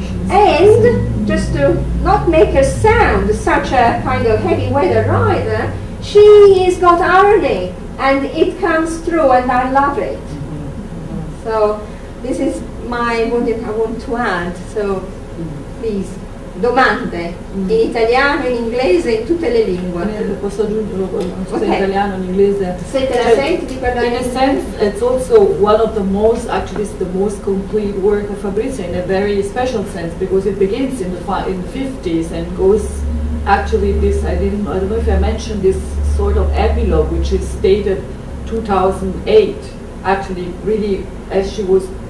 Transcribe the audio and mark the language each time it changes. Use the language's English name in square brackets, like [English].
[English] And just to not make her sound such a kind of heavy weather rider, she has got irony, and it comes through, and I love it. So this is what I want to add. So please. [Italian] Domande in italiano, in inglese, in tutte le lingue. Posso aggiungerlo, in italiano, in inglese. Se te la senti di parlare [English] in sense, it's also one of the most, actually, it's the most complete work of Fabrizia in a very special sense, because it begins in the 50s and goes, actually, this, I don't know if I mentioned this sort of epilogue, which is dated 2008, actually, really, as she was.